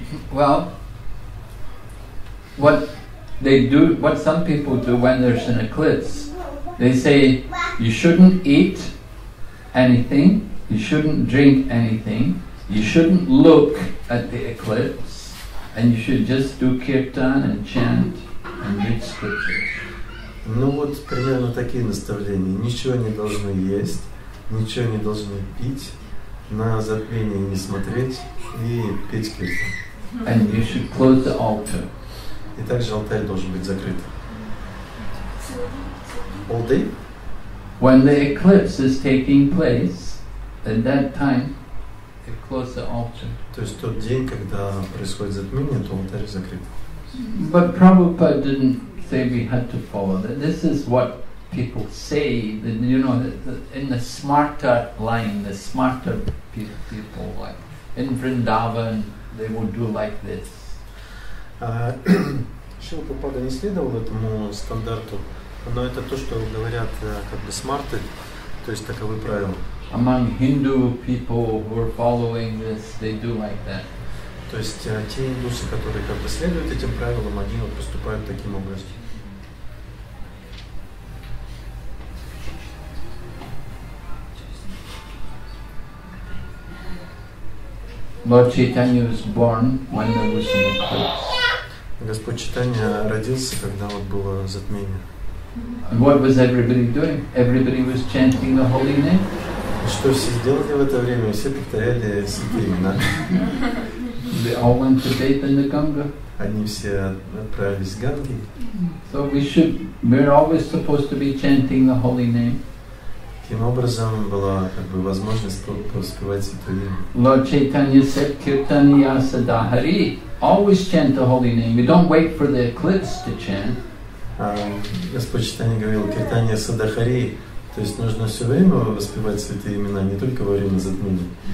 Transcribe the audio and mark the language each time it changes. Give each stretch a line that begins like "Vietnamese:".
English: Well, what they do, what some people do when there's an eclipse, they say you shouldn't eat anything, you shouldn't drink anything, you shouldn't look at the eclipse, and you should just do kirtan and chant and read scriptures.
Russian: Ну вот примерно такие наставления. Ничего не должно есть, ничего не должно пить, на затмение не смотреть и петь киртан.
English: And you should close the altar.
Russian: И также алтарь должен быть закрыт.
English: All day? When the eclipse is taking place, at that time, you close the altar.
Russian: То есть тот день, когда происходит затмение, то алтарь закрыт.
English: But Prabhupada didn't say we had to follow that. This is what people say, that, you know, in the smarter line, the smarter people, like in Vrindavan, they would do like this.
Russian: Шрила Прабхупада не следовал этому стандарту, но это то, что говорят как бы смарты, то есть таковы правила.
English: Among Hindu people who are following this, they do like that.
Russian: То есть те индусы, которые как бы следуют этим правилам, они вот поступают таким образом.
English: Lord Chaitanya was born when there was an eclipse.
Russian: Господь Чайтанья родился, когда вот было затмение.
English: And what was everybody doing? Everybody was chanting the holy name.
Russian: Что все сделали в это время? Все повторяли святые имена.
English: They all went to bathe in the Ganga.
Russian: Они все отправились в Ганги.
English: So we should, we're always supposed to be chanting the holy name.
Russian: Таким образом была как бы возможность воспевать святое имя.
English: Lord Chaitanya said, "Kirtaniya sadahari, always chant the holy name. You don't wait for the eclipse to chant."
Russian: Господь Чайтанья говорил, "Kirtaniya sadahari, то есть нужно все время воспевать святые имена, не только во время затмения."